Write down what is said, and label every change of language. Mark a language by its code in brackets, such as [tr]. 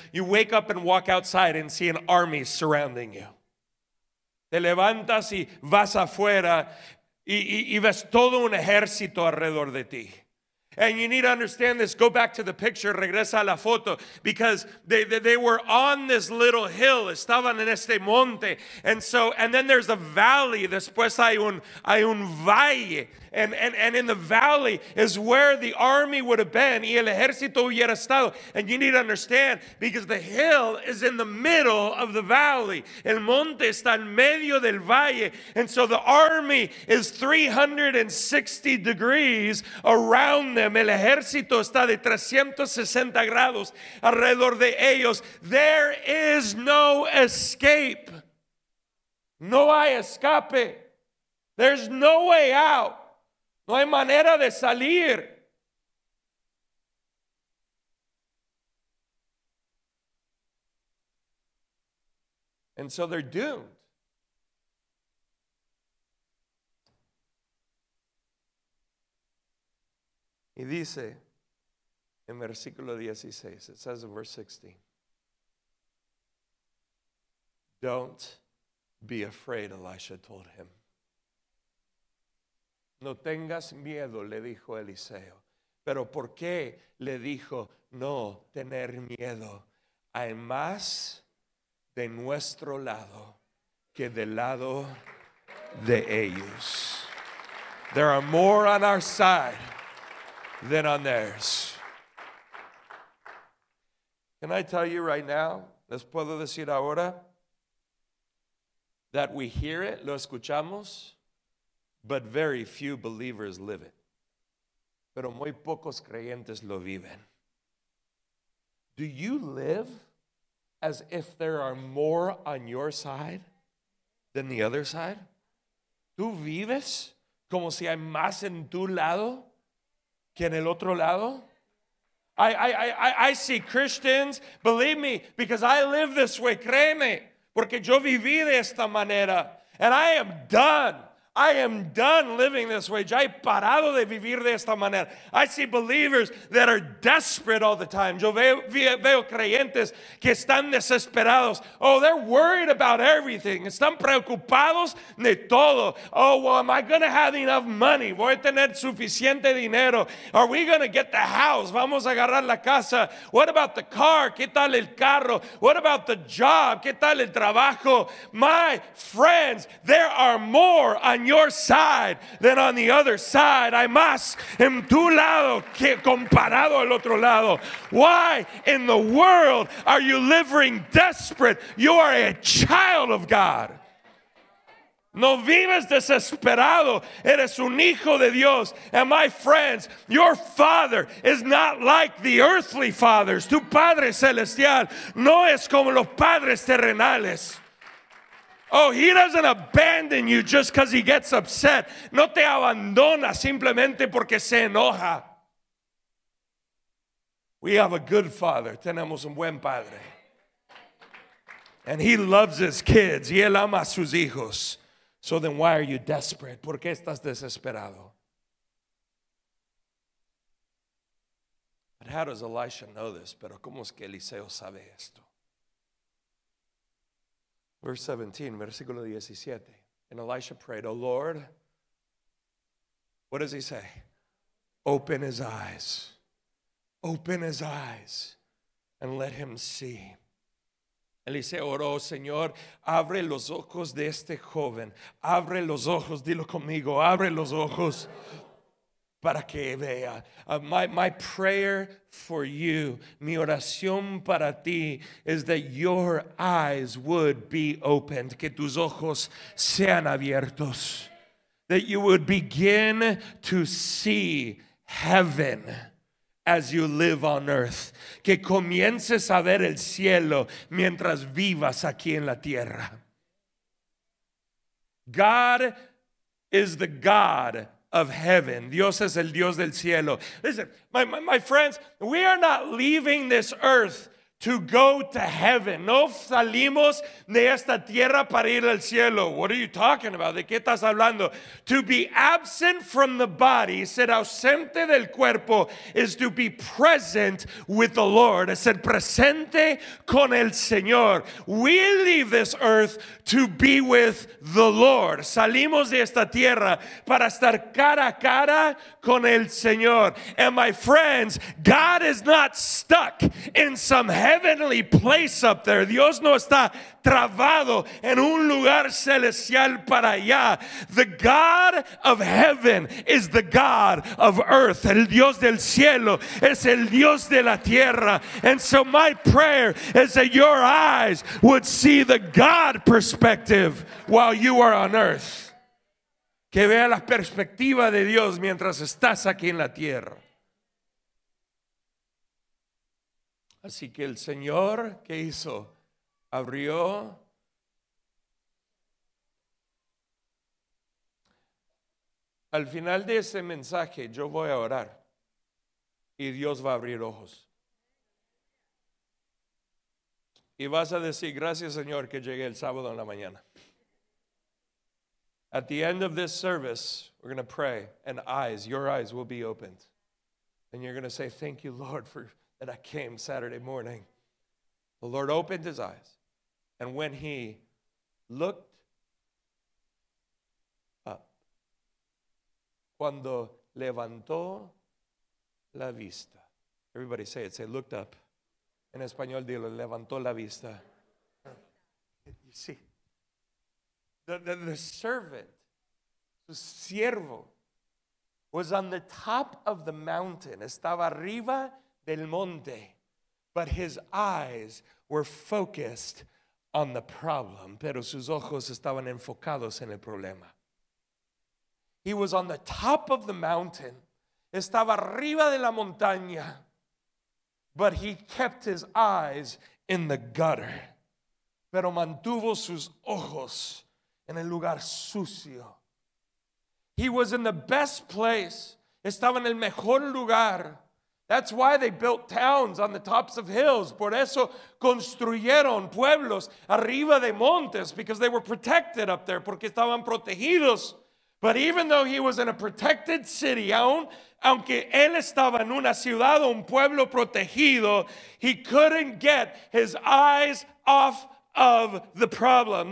[en] You wake up and walk outside and see an army surrounding you. [es] Te levantas y vas afuera y ves todo un ejército alrededor de ti. [en] And you need to understand this. Go back to the picture. [es] Regresa a la foto. [en] Because they were on this little hill. [es] Estaban en este monte. [en] And then there's a valley. [es] Después hay un valle. [en] And in the valley is where the army would have been. [es] Y el ejército hubiera estado. [en] And you need to understand. Because the hill is in the middle of the valley. [es] El monte está en medio del valle. [en] And so the army is 360 degrees around them. [es] El ejército está de 360 grados alrededor de ellos. [en] There is no escape. [es] No hay escape. [en] There's no way out. [es] No hay manera de salir. [en] And so they're doomed. [es] Y dice en versículo 16, [en] it says in verse 16, don't be afraid, Elisha told him. [es] No tengas miedo, le dijo Eliseo. Pero ¿por qué le dijo no tener miedo? Hay más de nuestro lado que del lado de ellos. [en] There are more on our side than on theirs. Can I tell you right now, [es] les puedo decir ahora, [en] that we hear it, [es] lo escuchamos, [en] but very few believers live it. [es] Pero muy pocos creyentes lo viven. [en] Do you live as if there are more on your side than the other side? [es] ¿Tú vives como si hay más en tu lado que en el otro lado? [en] I see Christians, believe me, because I live this way, [es] créeme, porque yo viví de esta manera, [en] and I am done. I am done living this way. [es] Ya he parado de vivir de esta manera. [en] I see believers that are desperate all the time. [es] Yo veo creyentes que están desesperados. [en] Oh, they're worried about everything. [es] Están preocupados de todo. [en] Oh, well, am I going to have enough money? [es] Voy a tener suficiente dinero. [en] Are we going to get the house? [es] Vamos a agarrar la casa. [en] What about the car? [es] ¿Qué tal el carro? [en] What about the job? [es] ¿Qué tal el trabajo? [en] My friends, there are more on your side than on the other side. [es] Hay más en tu lado que comparado al otro lado. [en] Why in the world are you living desperate? You are a child of God. [es] No vives desesperado. Eres un hijo de Dios. [en] And my friends, your father is not like the earthly fathers. [es] Tu padre celestial no es como los padres terrenales. [en] Oh, he doesn't abandon you just because he gets upset. [es] No te abandona simplemente porque se enoja. [en] We have a good father. [es] Tenemos un buen padre. [en] And he loves his kids. [es] Y él ama a sus hijos. [en] So then why are you desperate? [es] ¿Por qué estás desesperado? [en] But how does Elisha know this? [es] Pero ¿cómo es que Eliseo sabe esto? [en] Verse 17, [es] versículo 17. [en] And Elisha prayed, O Lord, what does he say? Open his eyes. Open his eyes and let him see. [es] Eliseo oró, Señor, abre los ojos de este joven. Abre los ojos, dilo conmigo, abre los ojos para que vea. [en] My prayer for you, [es] mi oración para ti, [en] is that your eyes would be opened. [es] Que tus ojos sean abiertos. [en] That you would begin to see heaven as you live on earth. [es] Que comiences a ver el cielo mientras vivas aquí en la tierra. [en] God is the God of heaven. [es] Dios es el Dios del cielo. [en] Listen, my friends, we are not leaving this earth to go to heaven. [es] No salimos de esta tierra para ir al cielo. [en] What are you talking about? [es] ¿De qué estás hablando? [en] To be absent from the body, [es] ser ausente del cuerpo, [en] is to be present with the Lord. [es] Es ser presente con el Señor. [en] We leave this earth to be with the Lord. [es] Salimos de esta tierra para estar cara a cara con el Señor. [en] And my friends, God is not stuck in some heavenly place up there. [es] Dios no está trabado en un lugar celestial para allá. [en] The God of heaven is the God of earth. [es] El Dios del cielo es el Dios de la tierra. [en] And so my prayer is that your eyes would see the God perspective while you are on earth. [es] Que vea la perspectiva de Dios mientras estás aquí en la tierra. Así que el Señor, ¿qué hizo? Abrió. Al final de ese mensaje, yo voy a orar. Y Dios va a abrir ojos. Y vas a decir, gracias Señor, que llegué el sábado en la mañana. [en] At the end of this service, we're going to pray. And eyes, your eyes will be opened. And you're going to say, thank you Lord for... And I came Saturday morning. The Lord opened his eyes. And when he looked up, [es] cuando levantó la vista. [en] Everybody say it. Say, looked up. [es] En español, dilo, levantó la vista. [en] You see. The servant, [es] su siervo, [en] was on the top of the mountain. [es] Estaba arriba del monte, [en] but his eyes were focused on the problem. [es] Pero sus ojos estaban enfocados en el problema. [en] He was on the top of the mountain. [es] Estaba arriba de la montaña, [en] but he kept his eyes in the gutter. [es] Pero mantuvo sus ojos en el lugar sucio. [en] He was in the best place. [es] Estaba en el mejor lugar. [en] That's why they built towns on the tops of hills. [es] Por eso construyeron pueblos arriba de montes, [en] because they were protected up there, [es] porque estaban protegidos. [en] But even though he was in a protected city, [es] aunque él estaba en una ciudad o un pueblo protegido, [en] he couldn't get his eyes off of the problem.